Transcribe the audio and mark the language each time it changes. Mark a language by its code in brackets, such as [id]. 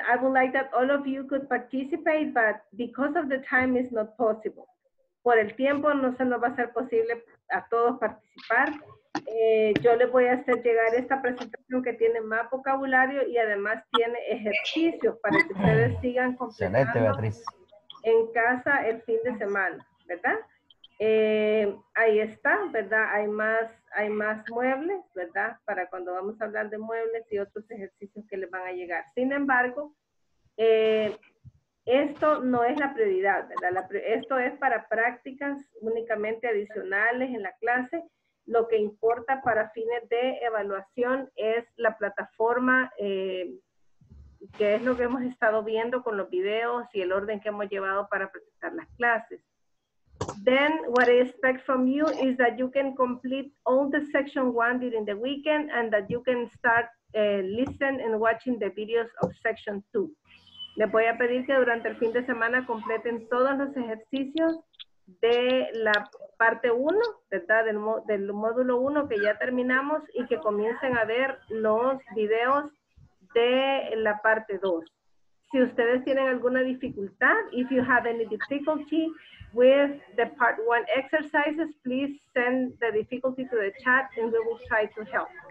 [en] I would like that all of you could participate, but because of the time, it's not possible. [es] Por el tiempo, no se nos va a ser posible a todos participar. Yo les voy a hacer llegar esta presentación que tiene más vocabulario y además tiene ejercicios para que ustedes sigan completando. Excelente, Beatriz. En casa el fin de semana, ¿verdad? Ahí está, ¿verdad? Hay más muebles, ¿verdad? Para cuando vamos a hablar de muebles y otros ejercicios que les van a llegar. Sin embargo, esto no es la prioridad, ¿verdad? Esto es para prácticas únicamente adicionales en la clase. Lo que importa para fines de evaluación es la plataforma, que es lo que hemos estado viendo con los videos y el orden que hemos llevado para presentar las clases. [en] Then what I expect from you is that you can complete all the section one during the weekend and that you can start listen and watching the videos of section two. [es] Les voy a pedir que durante el fin de semana completen todos los ejercicios de la parte uno, ¿verdad? Del módulo uno que ya terminamos y que comiencen a ver los videos de la parte dos. Si ustedes tienen alguna dificultad, [en] if you have any difficulty with the part one exercises, please send the difficulty to the chat and we will try to help.